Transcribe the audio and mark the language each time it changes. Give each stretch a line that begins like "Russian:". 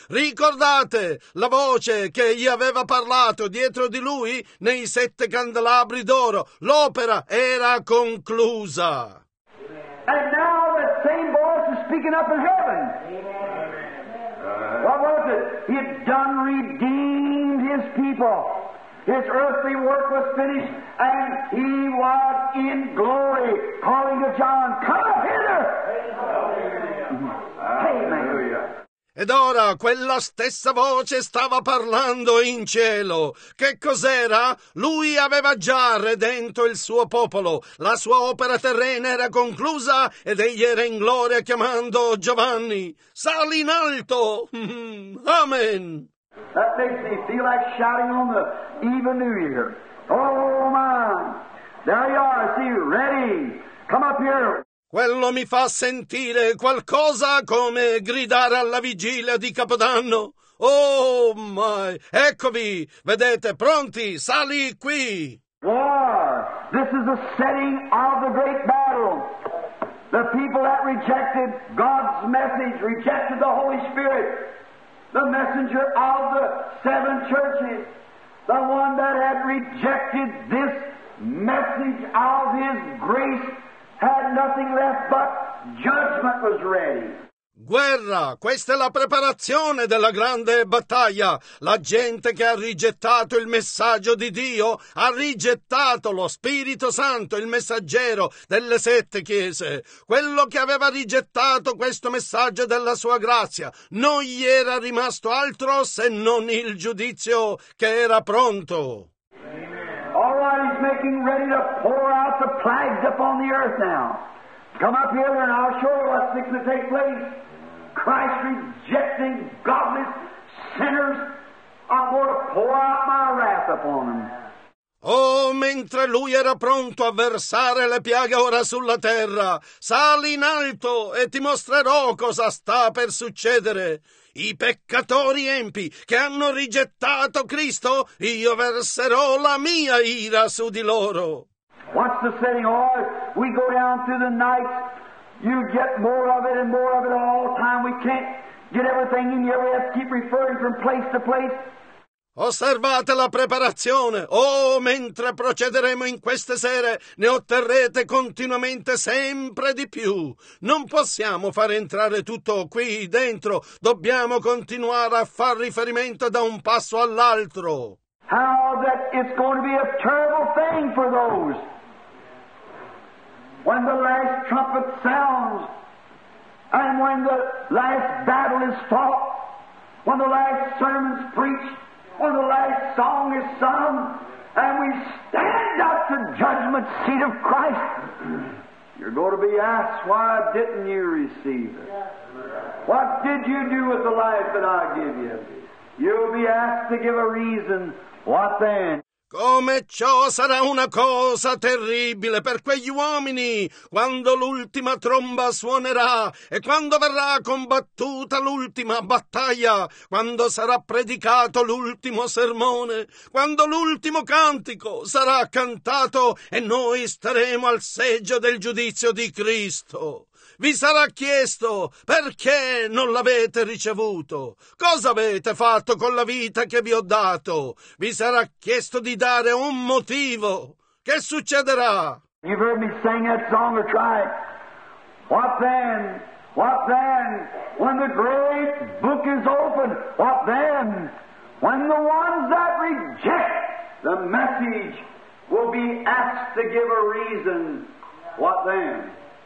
Italian: Ricordate la voce che gli aveva parlato dietro di lui nei sette candelabri d'oro. L'opera era conclusa.
English: And now the same voice is speaking up in heaven. What was it? He had done, redeemed his people. His earthly work was finished, and he was in glory, calling to John, come hither! Amen.
Italian: Ed ora quella stessa voce stava parlando in cielo. Che cos'era? Lui aveva già redento il suo popolo. La sua opera terrena era conclusa ed egli era in gloria chiamando Giovanni. Sali in alto! Amen!
English: That makes me feel like shouting on the even New Year. Oh man! There you are, see you. Ready! Come up here!
Italian: Quello mi fa sentire qualcosa come gridare alla vigilia di Capodanno.
English: Oh, my!
Italian: Eccovi! Vedete, pronti? Sali qui!
English: War! This is the setting of the great battle. The people that rejected God's message, rejected the Holy Spirit, the messenger of the seven churches, the one that had rejected this message of his grace, had nothing left but judgment was ready.
Italian: Guerra, questa è la preparazione della grande battaglia. La gente che ha rigettato il messaggio di Dio ha rigettato lo Spirito Santo, il messaggero delle sette chiese. Quello che aveva rigettato questo messaggio della sua grazia, non gli era rimasto altro se non il giudizio che era pronto.
English: He's making ready to pour out the plagues upon the earth now. Come up here and I'll show you what's going to take place. Christ rejecting godless sinners, I'm going to pour out my wrath upon them.
Italian: Oh, mentre lui era pronto a versare le piaghe ora sulla terra, sali in alto e ti mostrerò cosa sta per succedere. I peccatori empi che hanno rigettato Cristo, io verserò la mia ira su di loro.
English: Watch the setting, Lord. We go down through the night. You get more of it and more of it all the time. We can't get everything in here. We have to keep referring from place to place.
Italian: Osservate la preparazione. Oh, mentre procederemo in queste sere, ne otterrete continuamente sempre di più. Non possiamo far entrare tutto qui dentro. Dobbiamo continuare a far riferimento da un passo all'altro.
English: How that it's going to be a terrible thing for those when the last trumpet sounds and when the last battle is fought, when the last sermon's preached, when the last song is sung, and we stand at the judgment seat of Christ, you're going to be asked, why didn't you receive it? What did you do with the life that I give you? You'll be asked to give a reason. What then?
Italian: Come ciò sarà una cosa terribile per quegli uomini quando l'ultima tromba suonerà e quando verrà combattuta l'ultima battaglia, quando sarà predicato l'ultimo sermone, quando l'ultimo cantico sarà cantato e noi staremo al seggio del giudizio di Cristo. Vi sarà chiesto perché non l'avete ricevuto. Cosa avete fatto con la vita che vi ho dato? Vi sarà chiesto di dare un motivo. Che succederà?
English: You've heard me sing that song or try it. What then? What then? When the great book is open, what then? When the ones that reject the message will be asked to give a reason, what then?